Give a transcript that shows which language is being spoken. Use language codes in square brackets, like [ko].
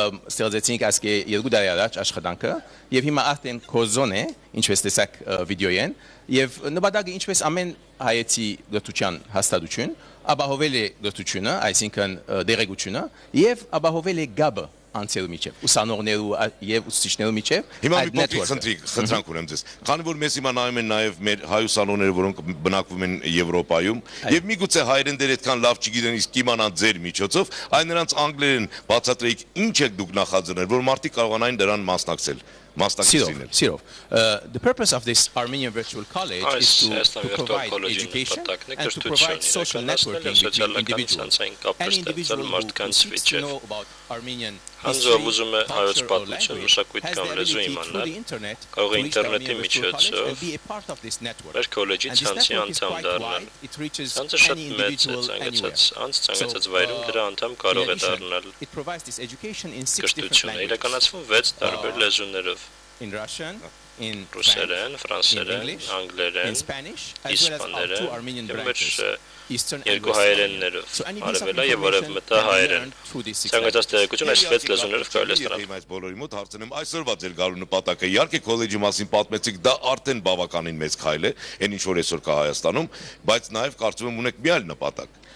[hy] Ստեղծեցինք ասկե երկու տարի առաջ աշխատանքը, եւ հիմա արդեն կոզոն է, ինչպես տեսակ վիդեոյեն, եւ նպատակը ինչպես ամեն հայեցի գործության հաստատություն, աբահովել է գործությունը, այսինքն դերեկությունը, եւ աբահովել է գաբը անցյալ միջև, ուսանողներու եւ ուսուցիչներու միջև։ Հիմա մի փոքր խնդրանք ունեմ ձեզ։ Քանի որ մեզ հիմա նայում են նաեւ մեր հայ ուսանողները, որոնք բնակվում են Եվրոպայում, եւ միգուցե հայերեն դեր այդքան լավ չգիտեն, իսկ իմանան ձեր միջոցով, այն նրանց անգլերեն բացատրեիք, ինչ եք դուք նախաձեռնել, որ մարդիկ կարողանային դրան մասնակցել։ [en] Սիրով, the purpose of this Armenian virtual college is to provide education and to provide social networking between individuals. Any individual who wants to know about Armenian history, culture or language has the ability through the internet to reach Armenian virtual college and be a part of this network. And this network is quite wide, it reaches any individual anywhere. So, in addition, it provides this education in six different languages. In Russian, in Russian, Russian, English, in Spanish, as well as our two Armenian branches, Eastern and Western. [hy] Հայերեններով, արևելա եւ արևմտա հայերեն։ Ցանկացած տեղեկություն այս վեց լեզուներով կարելի է ստանալ։ Այս բոլորի մոտ հարցնեմ, այսօրվա ձեր գալու նպատակը, իհարկե քոլեջի մասին պատմեցիք, դա արդեն բավականին մեծ քայլ է, այն ինչ որ այսօր կա Հայաստանում, բայց նաեւ կարծում եմ ունեք մի այլ նպատակ։